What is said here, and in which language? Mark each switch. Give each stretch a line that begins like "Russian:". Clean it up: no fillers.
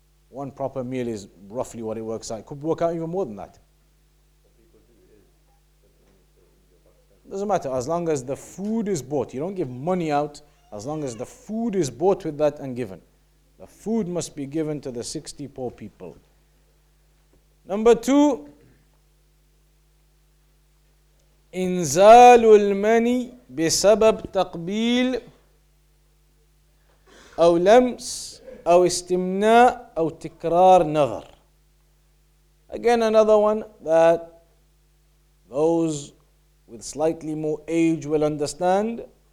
English: One proper meal is roughly what it works out. It could work out even more than that. Doesn't matter. As long as the food is bought. You don't give money out. As long as the food is bought with that and given. The food must be given to the 60 poor people. Number two.
Arabic: إِنْزَالُ الْمَنِي بِسَبَبْ تَقْبِيلِ أَوْ لَمْسِ أو استمناء أو تكرار نظر.
English: Again, another one that those with slightly more age will understand.